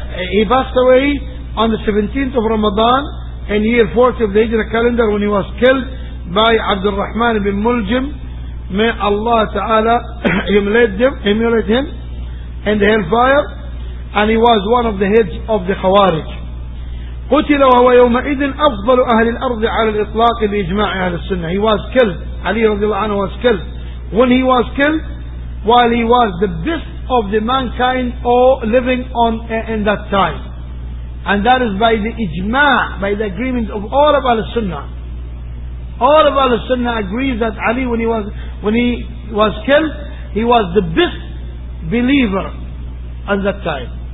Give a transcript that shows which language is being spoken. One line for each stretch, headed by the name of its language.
English: He passed away on the 17th of Ramadan in year 40 of the Hijra calendar when he was killed by عبد الرحمن بن ملجم. May Allah Ta'ala emulate him in the hellfire. And he was one of the heads of the Khawarij.
Arabic: قتل وهو يومئذ أفضل أهل الأرض على الإطلاق بإجماع أهل السنة.
English: He was killed. علي رضي الله عنه was killed. When he was killed, while he was the best of the mankind all living on in that time, and that is by the إجماع, by the agreement of all of Ahl al-Sunnah. All of Ahl al-Sunnah agrees that Ali, when he was killed, he was the best believer at that time.